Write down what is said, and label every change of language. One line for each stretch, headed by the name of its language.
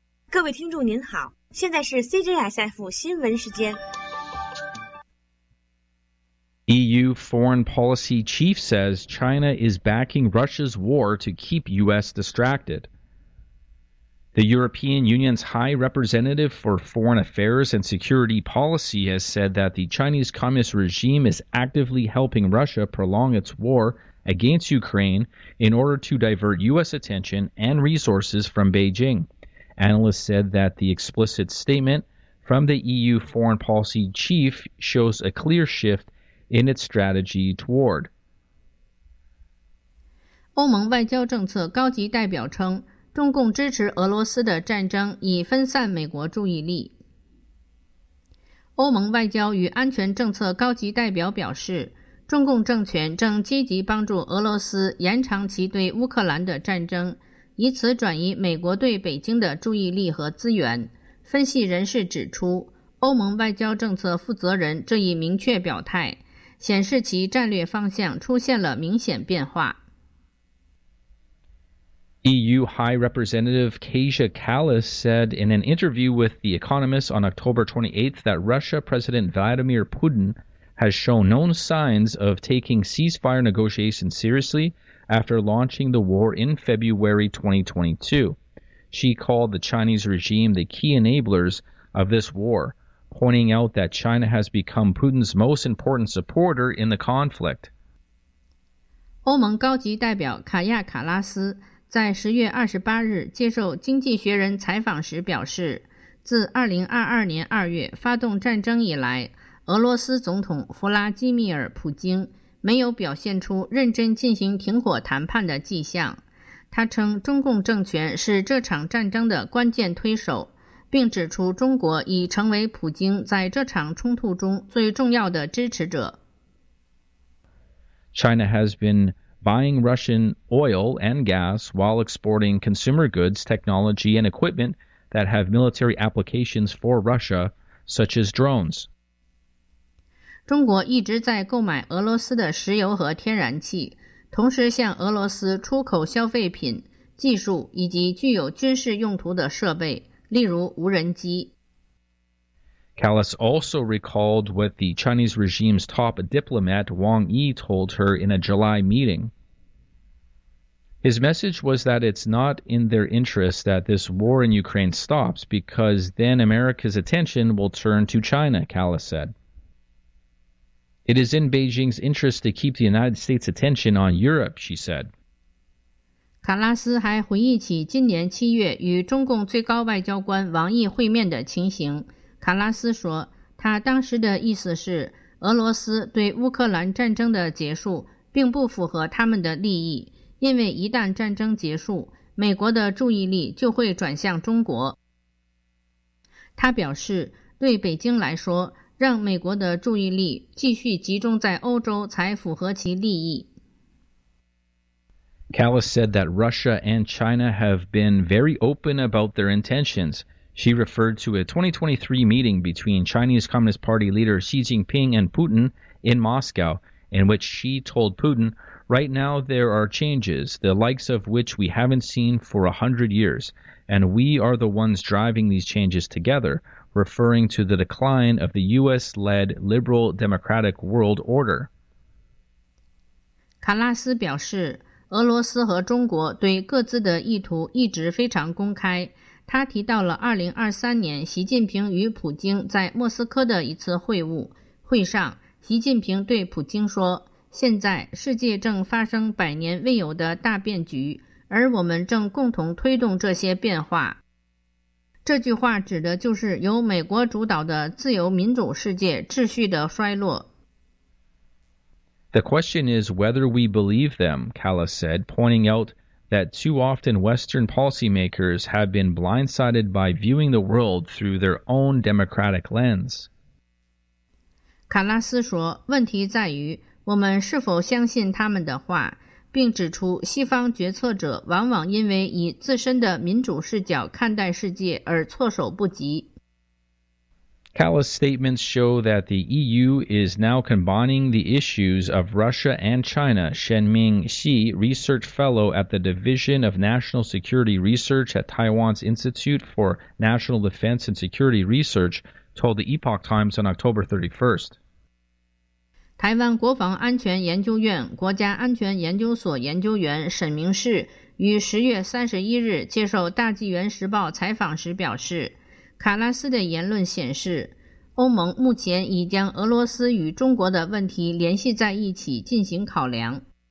Chinese: 各位听众您好，现在是 CGSF 新闻时间。
English: EU foreign policy chief says China is backing Russia's war to keep US distracted. The European Union's High Representative for Foreign Affairs and Security Policy has said that the Chinese Communist regime is actively helping Russia prolong its war against Ukraine in order to divert U.S. attention and resources from Beijing. Analysts said that the explicit statement from the EU foreign policy chief shows a clear shift in its strategy toward.
Chinese: 欧盟外交政策高级代表称，中共支持俄罗斯的战争已分散美国注意力。欧盟外交与安全政策高级代表表示，中共政权正积极帮助俄罗斯延长其对乌克兰的战争，以此转移美国对北京的注意力和资源。分析人士指出，欧盟外交政策负责人这一明确表态，显示其战略方向出现了明显变化。
English: EU High Representative Kasia Kallas said in an interview with The Economist on October 28th that Russia President Vladimir Putin has shown no signs of taking ceasefire negotiations seriously after launching the war in February 2022. She called the Chinese regime the key enablers of this war, pointing out that China has become Putin's most important supporter in the conflict.
Chinese: 欧盟高级代表卡亚卡拉斯在10月28日接受《经济学人》采访时表示，自2022年2月发动战争以来，俄罗斯总统弗拉基米尔·普京没有表现出认真进行停火谈判的迹象。他称中共政权是这场战争的关键推手，并指出中国已成为普京在这场冲突中最重要的支持者。
English: China has been buying Russian oil and gas while exporting consumer goods, technology and equipment that have military applications for Russia, such as drones.
Chinese: 中国一直在购买俄罗斯的石油和天然气，同时向俄罗斯出口消费品、技术以及具有军事用途的设备，例如无人机。
English: Kallas also recalled what the Chinese regime's top diplomat Wang Yi told her in a July meeting. His message was that it's not in their interest that this war in Ukraine stops because then America's attention will turn to China, Kallas said. It is in Beijing's interest to keep the United States' attention on Europe, she said.
Chinese: 卡拉斯还回忆起今年七月与中共最高外交官王毅会面的情形。卡拉斯说，他当时的意思是，俄罗斯对乌克兰战争的结束并不符合他们的利益，因为一旦战争结束，美国的注意力就会转向中国。他表示，对北京来说，让美国的注意力继续集中在欧洲才符合其利益。
English: Callis said that Russia and China have been very open about their intentions. She referred to a 2023 meeting between Chinese Communist Party leader Xi Jinping and Putin in Moscow, in which she told Putin, "Right now there are changes, the likes of which we haven't seen for 100 years, and we are the ones driving these changes together," referring to the decline of the U.S.-led liberal democratic world order.
Chinese: 卡拉斯表示，俄罗斯和中国对各自的意图一直非常公开。他提到了2023年习近平与普京在莫斯科的一次会晤。会上，习近平对普京说，现在世界正发生百年未有的大变局，而我们正共同推动这些变化。这句话指的就是由美国主导的自由民主世界秩序的衰落。
English: The question is whether we believe them, Callis said, pointing out that too often Western policymakers have been blindsided by viewing the world through their own democratic lens.
Chinese: 卡拉斯说，问题在于我们是否相信他们的话，并指出西方决策者往往因为以自身的民主视角看待世界而措手不及。
English: Callis' statements show that the EU is now combining the issues of Russia and China. Shenming Xi, research fellow at the Division of National Security Research at Taiwan's Institute for National Defense and Security Research, told the Epoch Times on October 31st.
Chinese: 台湾国防安全研究院国家安全研究所研究员沈明士于10月31日接受《大纪元时报》采访时表示，卡拉斯的言论显示，欧盟目前已将俄罗斯与中国的问题联系在一起进行考量。